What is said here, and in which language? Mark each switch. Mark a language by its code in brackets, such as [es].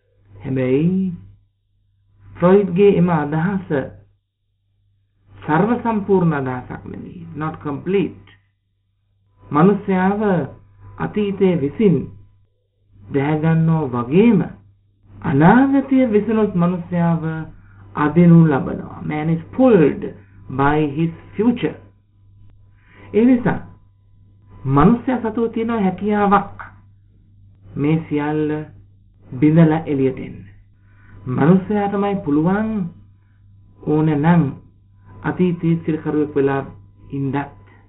[si] හැබැයි ෆ්‍රොයිඩ්ගේ එම අදහස සර්ව සම්පූර්ණ අදහසක් නෙමෙයි, [en] not complete. [si] මනුස්සයාව අතීතයේ විසින් දැහැගන්නෝ වගේම අනාගතය විසනොත් මනුස්සයාව අදිනු ලබනවා. [en] Man is pulled by his future. [si] ඒ නිසා මනුස්සයා සතුව තියෙන හැකියාවක් මේ සියල්ල බිඳලා එළියට එන්න. මනුස්සයා තමයි පුළුවන් ඕනේ නම් අතීතයේ සිරකරුවෙක් වෙලා ඉඳක්.